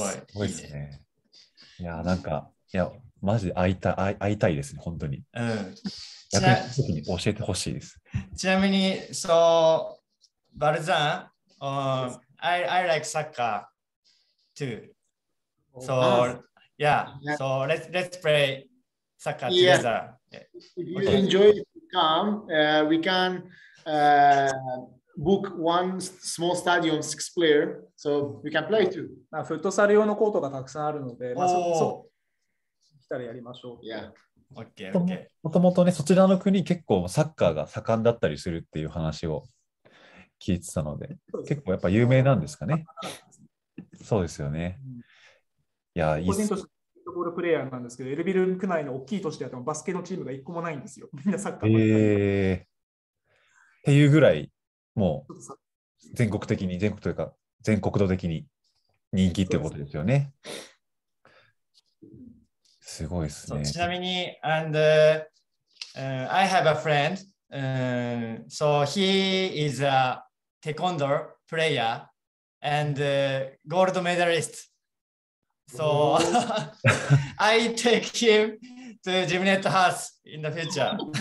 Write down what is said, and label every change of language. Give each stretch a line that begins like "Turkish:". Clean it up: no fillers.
Japanese: すごいですね。いやなんかいやマジで会いたいですね本当に。うん。逆に時に教えてほしいです。ちなみにそう
English: バルザン、I like soccer too. So yeah, so let's play soccer together. Yeah. If you enjoy, come. We can book one small stadium, six player, so we can play too.
Japanese: まあフットサル用のコートがたくさんあるので、まあそう。やりましょう。
English: Yeah. Okay,
Japanese: okay. もともとね、そちらの国結構サッカーが盛んだったりするっていう話を聞いてたので、結構やっぱ有名なんですかね。そうですよね。うん、いや、個人としてフットボールプレーヤーなんですけど、エルビル区内の大きい都市であってもバスケのチームが一個もないんですよ。みんなサッカー。っていうぐらい、もう全国的に、全国というか、全国土的に人気ってことですよね。すごいですね。
English: ちなみに、and I have a friend, so he is a taekwondo player and gold medalist. So I take him to Gymnet House in the future.